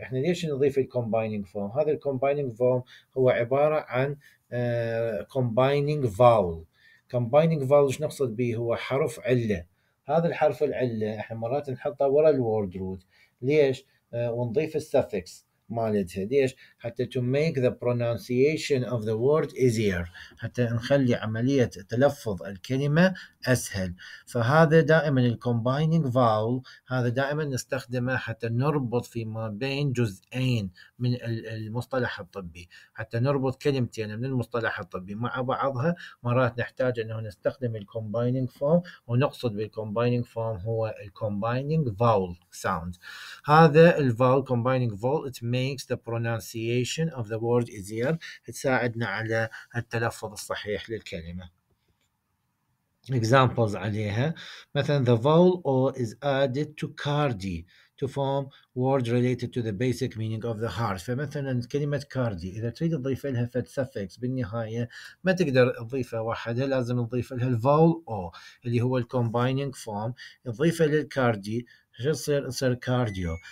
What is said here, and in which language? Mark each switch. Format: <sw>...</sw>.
<ar>احنا ليش نضيف ال combining form؟ هذا ال combining form هو عبارة عن combining vowel. Combining vowel ايش نقصد به؟ هو حرف علة. هذا الحرف العلة احنا مرات نحطه ورا ال word root. ليش؟ ونضيف ال suffix مالتها. ليش؟ حتى</ar> <en>to make the pronunciation of the word easier.</en> <ar>حتى نخلي عملية تلفظ الكلمة أسهل. فهذا دائما الـ combining vowel هذا دائما نستخدمه حتى نربط فيما بين جزئين من المصطلح الطبي. حتى نربط كلمتين من المصطلح الطبي مع بعضها مرات نحتاج أنه نستخدم الـ combining form ونقصد بالـ combining form هو الـ combining vowel sound. هذا الـ</ar> <en>vowel combining vowel it makes the pronunciation of the word easier.</en> <ar>تساعدنا على التلفظ الصحيح للكلمة.</ar> <en>Examples</en> <ar>عليها مثلا</ar> <en>the vowel O is added to cardi to form word related to the basic meaning of the heart.</en> <ar>فمثلا كلمة cardi إذا تريد تضيف لها فت suffix بالنهاية ما تقدر تضيفها واحدة لازم تضيف لها vowel O اللي هو combining form تضيفها للcardi شو يصير؟ يصير كارديو.</ar>